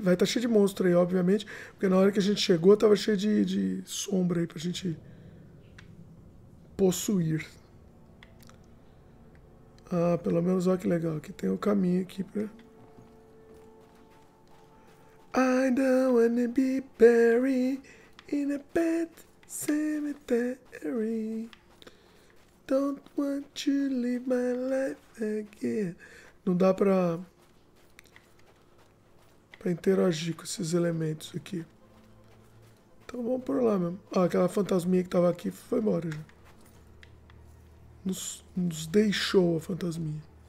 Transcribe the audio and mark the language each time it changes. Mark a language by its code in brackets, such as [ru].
[pt] Vai estar cheio de monstro aí, obviamente. Porque na hora que a gente chegou, tava cheio de sombra aí pra gente possuir. Ah, pelo menos, olha que legal. Aqui tem o caminho aqui pra... [en] I don't wanna be buried in a bed. Cemetery, don't want to live my life again. [pt] Não dá pra interagir com esses elementos aqui. Então vamos por lá mesmo. Ah, aquela fantasminha que tava aqui foi embora já. Nos deixou a fantasminha.